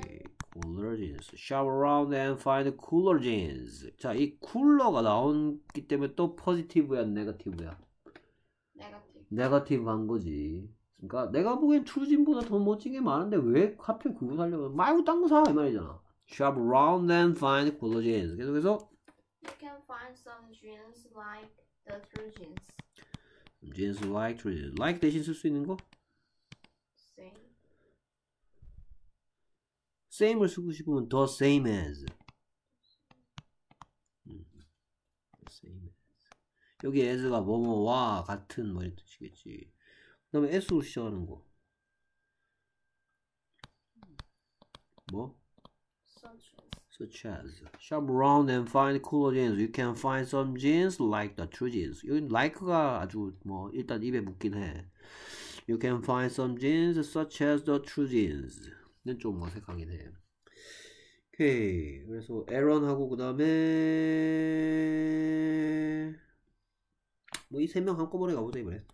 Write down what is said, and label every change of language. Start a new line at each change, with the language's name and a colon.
English: 오케이. Cooler jeans. Shop around and find cooler jeans.
Korean: 자, 이 쿨러가 나왔기 때문에 또 포지티브야, 네거티브야? 네거티브한 거지. 그러니까 내가 보기엔 트루진보다 더 멋진 게 많은데 왜 하필 그거 사려고? 말고 딴거 사, 이 말이잖아.
English: Shop around and find cooler jeans.
Korean: 계속해서
English: Negative. You can find some jeans like the true jeans. Jeans like trousers. Like
Korean: 대신 쓸 수 있는 거?
English: Same을
Korean: 쓰고 싶으면
English: the same as. Same as.
Korean: 여기 as가 뭐뭐와 같은 뭐 이런 뜻이겠지. 그 다음에 s로 시작하는 거. 뭐?
English: Such as. Such as. Shop around and find cooler jeans. You can find some jeans like the true jeans.
Korean: 여기 like가 아주 뭐 일단 입에 묻긴 해.
English: You can find some jeans such as the true jeans.
Korean: 는 좀 어색하긴 해. 오케이. 그래서 에런 하고 그 다음에 뭐 이 세 명 한꺼번에 가보자 이번에.